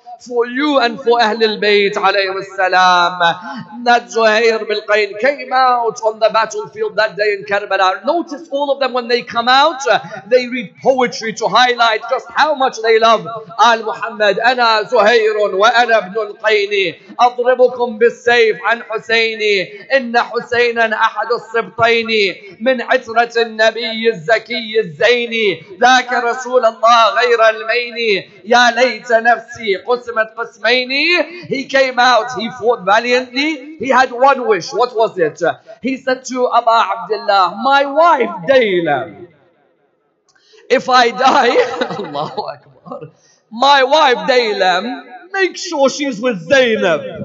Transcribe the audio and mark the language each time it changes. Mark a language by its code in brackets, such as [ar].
[en] For you and for Ahlul Bayt alayhi wassalam. That Zuhair ibn al-Qayn came out on the battlefield that day in Karbala. Notice all of them when they come out, they read poetry to highlight just how much they love Al Muhammad. [ar] Ana Zuhair wa ana ibn al-Qayn. أضربكم بالسيف عن حسيني إن حسينا أحد الصبطين من عترة النبي الزكي الزيني ذاك رسول الله غير الميني يا ليت نفسي قسمت قسميني. [en] He came out, he fought valiantly. He had one wish. What was it? He said to Aba Abdullah, my wife Dayla, if I die, Allahu Akbar, my wife Dayla, make sure she's with Zainab.